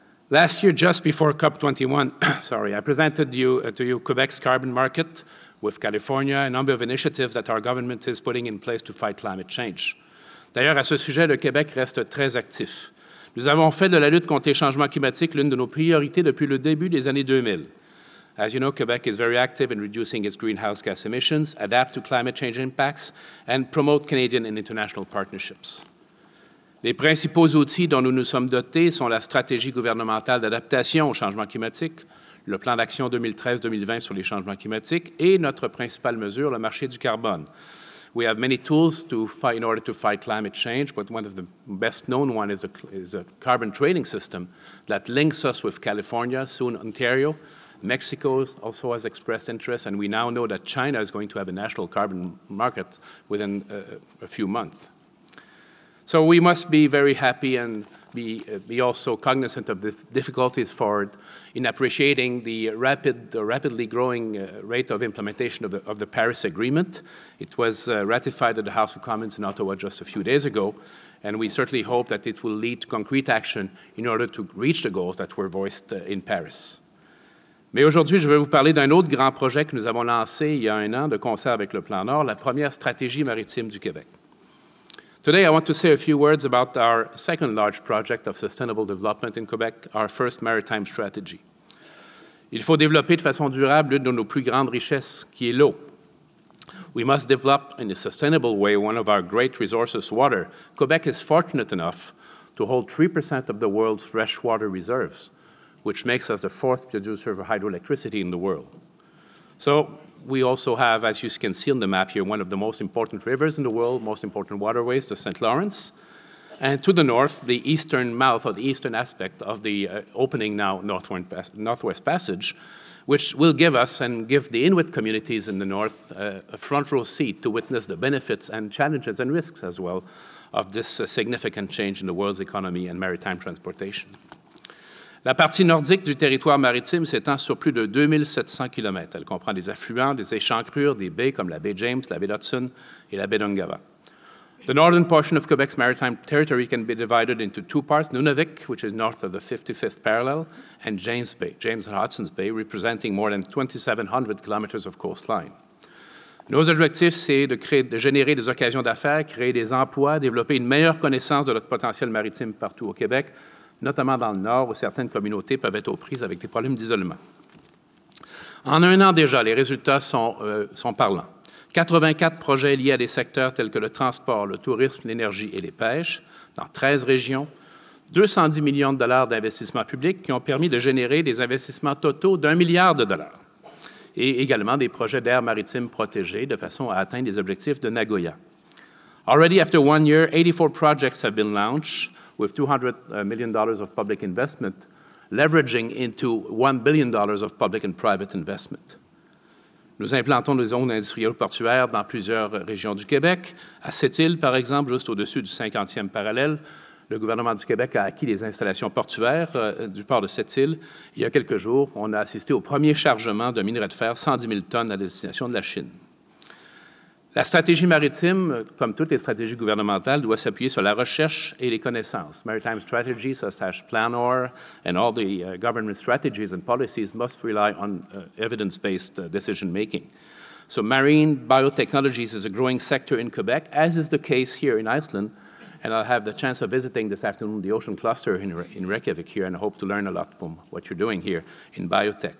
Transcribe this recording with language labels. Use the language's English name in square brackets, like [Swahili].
[English] Last year, just before COP21, sorry, I presented you to you Quebec's carbon market with California, a number of initiatives that our government is putting in place to fight climate change. [French] D'ailleurs, à ce sujet, le Québec reste très actif. Nous avons fait de la lutte contre les changements climatiques l'une de nos priorités depuis le début des années 2000. [English] As you know, Quebec is very active in reducing its greenhouse gas emissions, adapt to climate change impacts, and promote Canadian and international partnerships. [French] Les principaux outils dont nous nous sommes dotés sont la stratégie gouvernementale d'adaptation au changement climatique, le plan d'action 2013-2020 sur les changements climatiques et notre principale mesure, le marché du carbone. [English] We have many tools to fight in order to fight climate change, but one of the best known ones is a carbon trading system that links us with California, soon Ontario. Mexico also has expressed interest, and we now know that China is going to have a national carbon market within a few months. So we must be very happy and be also cognizant of the difficulties forward in appreciating the rapidly growing rate of implementation of the Paris Agreement. It was ratified at the House of Commons in Ottawa just a few days ago, and we certainly hope that it will lead to concrete action in order to reach the goals that were voiced in Paris. [French] Mais aujourd'hui, je vais vous parler d'un autre grand projet que nous avons lancé il y a un an de concert avec le Plan Nord, la première stratégie maritime du Québec. [English] Today, I want to say a few words about our second large project of sustainable development in Quebec, our first maritime strategy. [French] Il faut développer de façon durable l'une de nos plus grandes richesses, qui est l'eau. [English] We must develop in a sustainable way one of our great resources, water. Quebec is fortunate enough to hold 3% of the world's freshwater reserves, which makes us the fourth producer of hydroelectricity in the world. So, we also have, as you can see on the map here, one of the most important rivers in the world, most important waterways, the St. Lawrence. And to the north, the eastern mouth, or the eastern aspect of the opening now Northwest Passage, which will give us and give the Inuit communities in the north a front row seat to witness the benefits and challenges and risks as well of this significant change in the world's economy and maritime transportation. [French] La partie nordique du territoire maritime s'étend sur plus de 2700 km. Elle comprend des affluents, des échancrures, des baies comme la baie James, la baie d'Hudson et la baie d'Ungava. [English] The northern portion of Quebec's maritime territory can be divided into two parts, Nunavik, which is north of the 55th parallel, and James Bay, James and Hudson's Bay, representing more than 2,700 kilometers of coastline. [French] Nos objectifs, c'est de générer des occasions d'affaires, créer des emplois, développer une meilleure connaissance de notre potentiel maritime partout au Québec, notamment dans le nord, où certaines communautés peuvent être aux prises avec des problèmes d'isolement. En un an déjà, les résultats sont parlants. 84 projets liés à des secteurs tels que le transport, le tourisme, l'énergie et les pêches, dans 13 régions, 210 millions de dollars d'investissements publics qui ont permis de générer des investissements totaux d'un milliard de dollars, et également des projets d'aires maritimes protégées de façon à atteindre les objectifs de Nagoya. [English] Already after one year, 84 projects have been launched with $200 million of public investment, leveraging into $1 billion of public and private investment. [French] Nous implantons des zones industrielles portuaires dans plusieurs régions du Québec. À cette île, par exemple, juste au-dessus du 50e parallèle, le gouvernement du Québec a acquis les installations portuaires du port de cette île. Il y a quelques jours, on a assisté au premier chargement de minerai de fer, 110 000 tonnes, à destination de la Chine. La stratégie maritime, comme toutes les stratégies gouvernementales, doit s'appuyer sur la recherche et les connaissances. [English] Maritime strategy, such as PLANOR, and all the government strategies and policies must rely on evidence-based decision-making. So marine biotechnologies is a growing sector in Quebec, as is the case here in Iceland, and I'll have the chance of visiting this afternoon the Ocean Cluster in Reykjavík here, and I hope to learn a lot from what you're doing here in biotech.